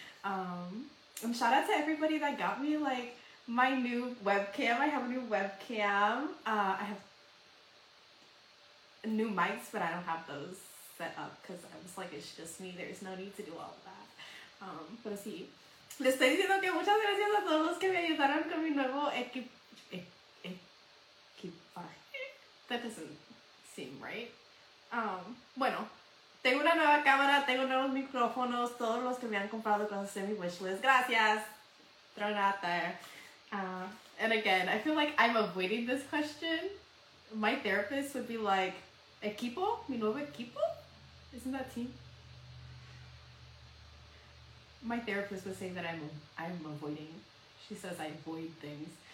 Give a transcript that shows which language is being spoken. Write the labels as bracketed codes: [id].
[en] And shout out to everybody that got me, like, my new webcam. I have a new webcam. I have new mics, but I don't have those set up because I was like, it's just me. There's no need to do all of that. [es] Pero sí. Le estoy diciendo que muchas gracias a todos los que me ayudaron con mi nuevo equipaje. [en] That doesn't seem right. [es] Bueno. Tengo una nueva cámara, tengo nuevos micrófonos, todos los que me han comprado cosas en mi wishlist. Gracias. [en] Throw it out there. And again, I feel like I'm avoiding this question. My therapist would be like, [es] ¿equipo? ¿Mi nuevo equipo? [en] Isn't that team? My therapist would say that I'm avoiding. She says I avoid things.